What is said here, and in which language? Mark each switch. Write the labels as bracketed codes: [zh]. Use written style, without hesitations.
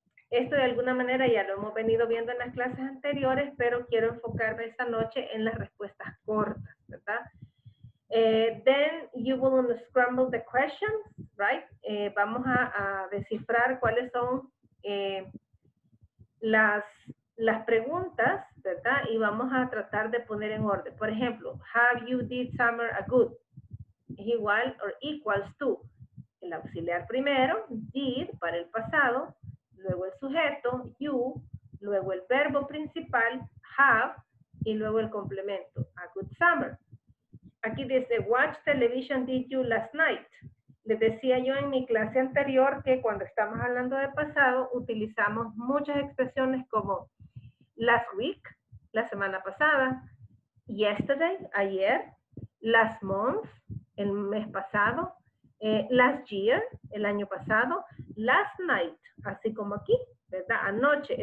[es] Esto de alguna manera ya lo hemos venido viendo en las clases anteriores, pero quiero enfocarme esta noche en las respuestas cortas, ¿verdad? [en] Then you will unscramble the questions, right? [es] Vamos a descifrar cuáles son las preguntas, ¿verdad? Y vamos a tratar de poner en orden. Por ejemplo, [en] have you did summer a good? [es] Es igual [en] or equals to. [es] El auxiliar primero, did, para el pasado, luego el sujeto, you, luego el verbo principal, have, y luego el complemento, a good summer. Aquí dice, [en] watch television did you last night? [es] Les decía yo en mi clase anterior que cuando estamos hablando de pasado, utilizamos muchas expresiones como last week, la semana pasada, yesterday, ayer, last month, el mes pasado, last year, el año pasado, last night, así como aquí, ¿verdad? Anoche.